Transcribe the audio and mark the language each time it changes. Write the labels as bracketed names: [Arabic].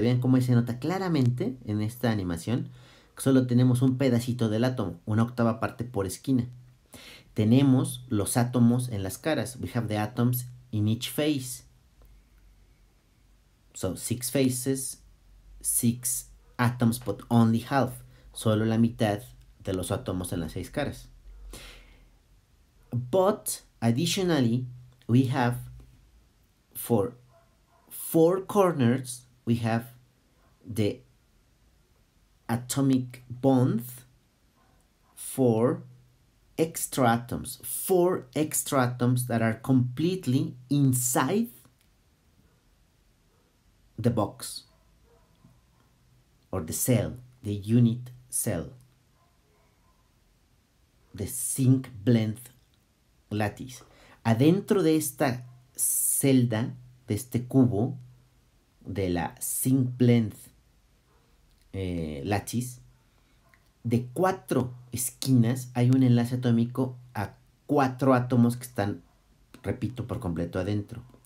[Spanish] Vean cómo se nota claramente en esta animación, solo tenemos un pedacito del átomo, una octava parte por esquina. Tenemos los átomos en las caras. [English] We have the atoms in each face. So, six faces, six atoms, but only half. [Spanish] Solo la mitad de los átomos en las seis caras. [English] But, additionally, we have for four corners, we have the atomic bond for extra atoms, four extra atoms that are completely inside the box or the cell, the unit cell, the zinc blend lattice. [Spanish] Adentro de esta celda, de este cubo, de la zinc blend lattice, de cuatro esquinas hay un enlace atómico a cuatro átomos que están, repito, por completo adentro.